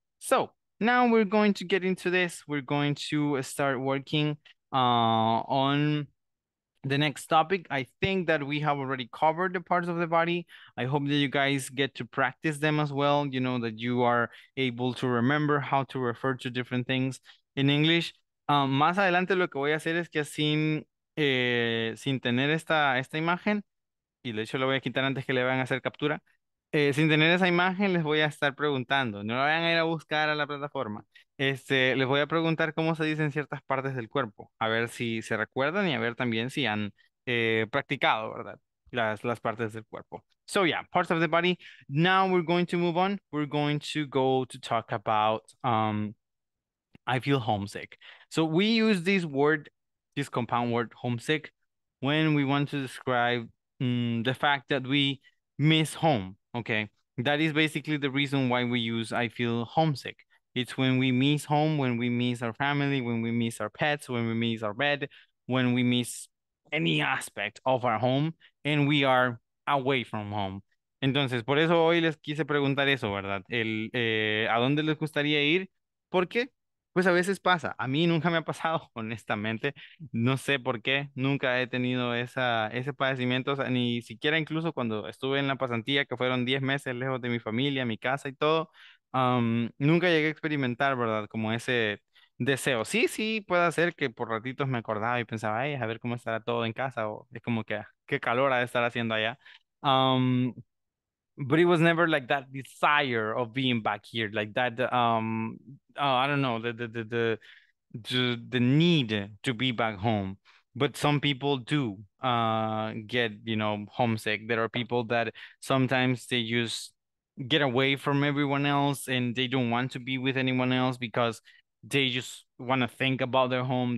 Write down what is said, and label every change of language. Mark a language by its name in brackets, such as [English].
[English] So now we're going to get into this. We're going to start working on the next topic. I think that we have already covered the parts of the body. I hope that you guys get to practice them as well. You know, that you are able to remember how to refer to different things in English. [Spanish] Más adelante lo que voy a hacer es que sin tener esta imagen, y de hecho la voy a quitar antes que le vayan a hacer captura, sin tener esa imagen les voy a estar preguntando, no la vayan a ir a buscar a la plataforma, les voy a preguntar cómo se dicen ciertas partes del cuerpo, a ver si se recuerdan y a ver también si han practicado, ¿verdad? Las partes del cuerpo. [English] So yeah, parts of the body. Now we're going to move on. We're going to go to talk about I feel homesick. So we use this word, this compound word, homesick, when we want to describe the fact that we miss home, okay? That is basically the reason why we use I feel homesick. It's when we miss home, when we miss our family, when we miss our pets, when we miss our bed, when we miss any aspect of our home, and we are away from home. [Spanish] Entonces, por eso hoy les quise preguntar eso, ¿verdad? ¿A dónde les gustaría ir? ¿Por qué? Pues a veces pasa. A mí nunca me ha pasado, honestamente. No sé por qué. Nunca he tenido ese padecimiento. O sea, ni siquiera incluso cuando estuve en la pasantía, que fueron 10 meses lejos de mi familia, mi casa y todo. Nunca llegué a experimentar, ¿verdad? Como ese deseo. Sí, sí, puede ser que por ratitos me acordaba y pensaba, ay, a ver cómo estará todo en casa. O es como que, qué calor ha de estar haciendo allá. [English] But it was never like that desire of being back here, like that, I don't know, the need to be back home. But some people do get, you know, homesick. There are people that sometimes they just get away from everyone else and they don't want to be with anyone else because they just want to think about their home.